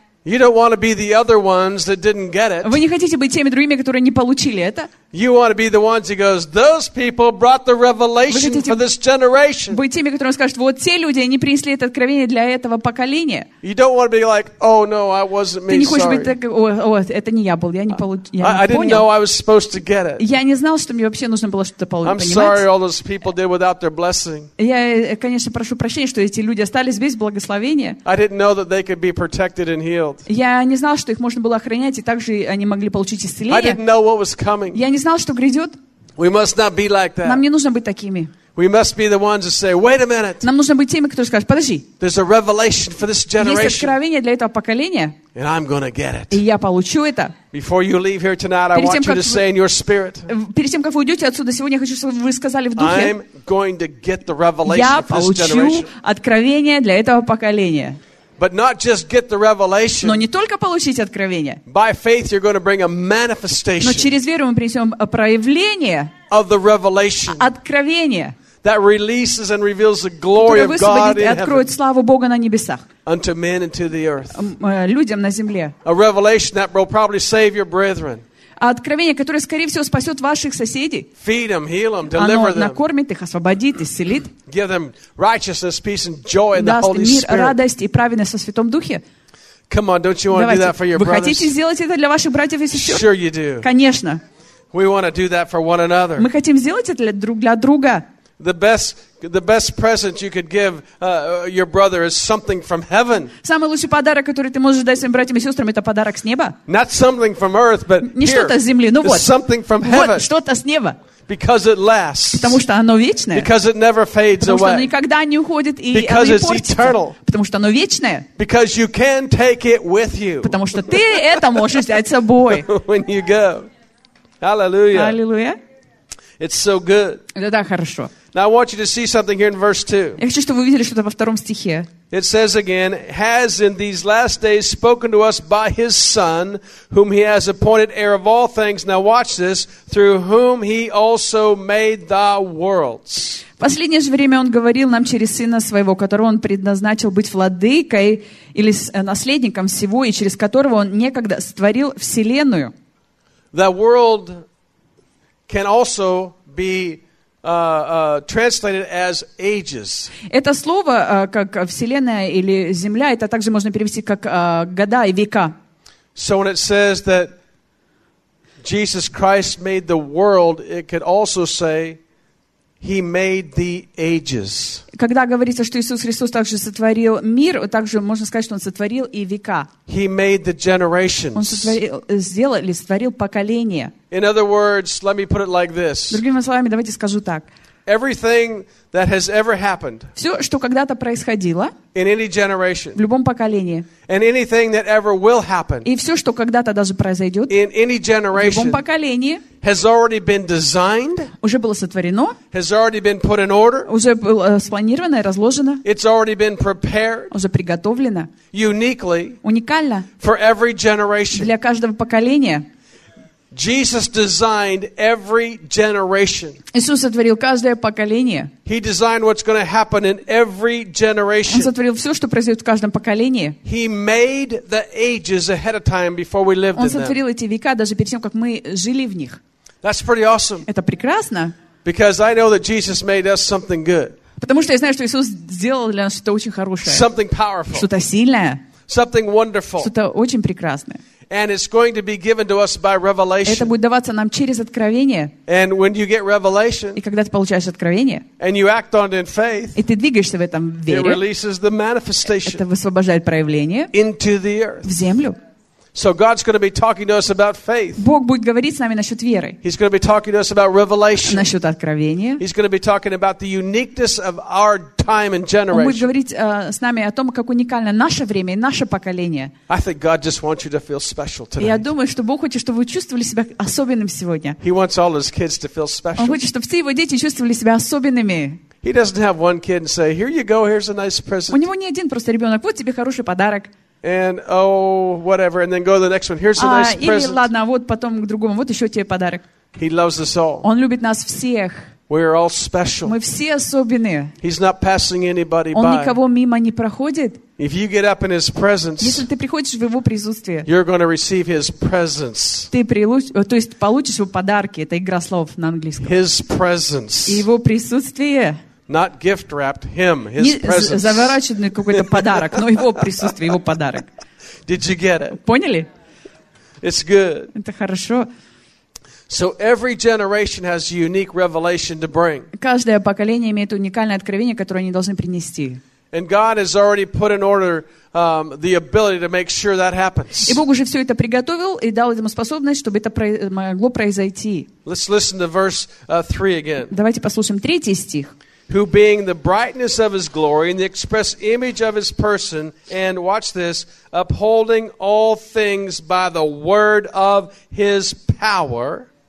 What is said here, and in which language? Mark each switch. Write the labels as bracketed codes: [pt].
[en] You don't want to be the other ones that didn't get it. [ru] Вы не хотите быть теми другими, которые не получили это. [en] You want to be the ones who goes, those people brought the revelation for this generation. [ru] Быть теми, которые скажут, вот те люди, они принесли это откровение для этого поколения. [en] You don't want to be like, oh no, I wasn't me. [ru] Ты не хочешь быть такой, вот это не я был, я не получил. [en] I didn't know I was supposed to get it. [ru] Я не знал, что мне вообще нужно было что-то получить. [en] I'm sorry, all those people did without their blessing. [ru] Я, конечно, прошу прощения, что эти люди остались без благословения. [en] I didn't know that they could be protected and healed. [ru] Я не знал, что их можно было охранять, и также они могли получить исцеление. [en] I didn't know what was coming. [ru] Я не знал, что грядет. [en] We must not be like that. [ru] Нам не нужно быть такими. [en] We must be the ones that say, "Wait a minute." [ru] Нам нужно быть теми, которые скажут: "Подожди." [en] There's a revelation for this generation. [ru] Есть откровение для этого поколения. [en] And I'm going to get it. [ru] И я получу это. [en] Before you leave here tonight, I want you to say in your spirit. [ru] Перед тем, как вы уйдете отсюда сегодня, я хочу, чтобы вы сказали в духе. [en] I'm going to get the revelation for this generation. [ru] Я получу откровение для этого поколения. [en] But not just get the revelation. [ru] Но не только получить откровение. [en] By faith you're going to bring a manifestation. [ru] Но через веру мы принесем проявление. [en] Of the revelation. [ru] Откровение. [en] That releases and reveals the glory of God in heaven. [ru] Откроет славу Бога на небесах. [en] Unto men and to the earth. [ru] Людям на земле. [en] A revelation that will probably save your brethren. [ru] откровение, которое, скорее всего, спасет ваших соседей. [en] Feed them, heal them, deliver them. [ru] Оно накормит их, освободит, исцелит. [en] Give them righteousness, peace and joy in the Holy Spirit. [ru] Даст мир, радость и праведность во Святом Духе. [en] Come on, don't you want [ru] Давайте, [en] to do that for your brothers? [ru] Вы хотите сделать это для ваших братьев и сестер? [en] Sure you do. [ru] Конечно. [en] We want to do that for one another. [ru] Мы хотим сделать это для друга. [en] The best present you could give your brother is something from heaven. [ru] Самый лучший подарок, который ты можешь дать своим братьям и сестрам, это подарок с неба. [en] Not something from earth, but [ru] не что-то с земли, ну вот. [en] Something from heaven. [ru] Вот что-то с неба. [en] Because it lasts. [ru] Потому что оно вечное. [en] Because it never fades away. [ru] Потому что оно никогда не уходит и [en] Because [ru] оно не портится. [en] It's eternal. [ru] Потому что оно вечное. [en] Because you can take it with you. [ru] Потому что ты это можешь взять с собой. [en] When you go. Hallelujah. [ru] Hallelujah. [en] It's so good. [ru] Это так хорошо. [en] Now I want you to see something here in verse 2. [ru] Я хочу, чтобы вы видели что-то во втором стихе. [en] It says again, has in these last days spoken to us by his son, whom he has appointed heir of all things. Now watch this, through whom he also made the worlds. [ru] В последнее же время он говорил нам через сына своего, которого он предназначил быть владыкой или наследником всего и через которого он некогда сотворил вселенную. [en] The world can also be translated as ages. [ru] Это слово, как вселенная или земля, это также можно перевести как года и века. [en] So when it says that Jesus Christ made the world, it could also say He made the ages. [ru] Когда говорится, что Иисус Христос также сотворил мир, также можно сказать, что Он сотворил и века. [en] He made the generations. [ru] Он сотворил поколения. [en] In other words, let me put it like this. [ru] Другими словами, давайте скажу так. [en] Everything that has ever happened. [ru] Все, что когда-то происходило. [en] In any generation. [ru] В любом поколении. [en] And anything that ever will happen. [ru] И все, что когда-то даже произойдет. [en] In any generation. [ru] В любом поколении. [en] Has already been designed. [ru] Уже было сотворено. [en] Has already been put in order. [ru] Уже было спланировано и разложено. [en] It's already been prepared. [ru] Уже приготовлено. [en] Uniquely. [ru] Уникально. [en] For every generation. [ru] Для каждого поколения. [en] Jesus designed every generation. [ru] Иисус сотворил каждое поколение. [en] He designed what's going to happen in every generation. [ru] Он сотворил все, что произойдет в каждом поколении. [en] He made the ages ahead of time before we lived in them. [ru] Он сотворил эти века даже перед тем, как мы жили в них. [en] That's pretty awesome. [ru] Это прекрасно. [en] Because I know that Jesus made us something good. [ru] Потому что я знаю, что Иисус сделал для нас что-то очень хорошее. [en] Something powerful. [ru] Что-то сильное. [en] Something wonderful. [ru] Что-то очень прекрасное. [en] And it's going to be given to us by revelation. [ru] Это будет даваться нам через откровение. [en] And when you get revelation, [ru] и когда ты получаешь откровение, [en] and you act on it in faith, [ru] и ты двигаешься в этом вере, [en] it releases the manifestation. [ru] Это высвобождает проявление [en] into the earth. [ru] В землю. [en] So God's going to be talking to us about faith. [ru] Бог будет говорить с нами насчет веры. [en] He's going to be talking to us about revelation. [ru] Насчет откровения. [en] He's going to be talking about the uniqueness of our time and generation. [ru] Он будет говорить с нами о том, как уникально наше время и наше поколение. [en] I think God just wants you to feel special today. [ru] Я думаю, что Бог хочет, чтобы вы чувствовали себя особенным сегодня. [en] He wants all his kids to feel special. [ru] Он хочет, чтобы все его дети чувствовали себя особенными. [en] He doesn't have one kid and say, "Here you go, here's a nice present." [ru] У него не один просто ребенок. Вот тебе хороший подарок. [en] And oh, whatever, and then go to the next one. Here's a nice [ru] или, [en] present. [ru] Или ладно, вот потом к другому. Вот еще тебе подарок. [en] He loves us all. [ru] Он любит нас всех. [en] We are all special. [ru] Мы все особенные. [en] He's not passing anybody [ru] Он [en] by. [ru] Он никого мимо не проходит. [en] If you get up in His presence, [ru] если ты приходишь в Его присутствие, [en] you're going to receive His presence. [ru] Ты то есть получишь Его подарки. Это игра слов на английском. [en] His presence. [ru] И Его присутствие. [en] Not gift wrapped him, his presence. [ru] Не заворачиванный какой-то подарок, но его присутствие, его подарок. [en] Did you get it? [ru] Поняли? [en] It's good. [ru] Это хорошо. [en] So every generation has a unique revelation to bring. [ru] Каждое поколение имеет уникальное откровение, которое они должны принести. [en] And God has already put in order the ability to make sure that happens. [ru] И Бог уже все это приготовил и дал ему способность, чтобы это могло произойти. [en] Let's listen to verse 3 again. [ru] Давайте послушаем третий стих. [en] Who being the brightness of his glory and the express image of his person, and watch this, upholding all things by the word of his power.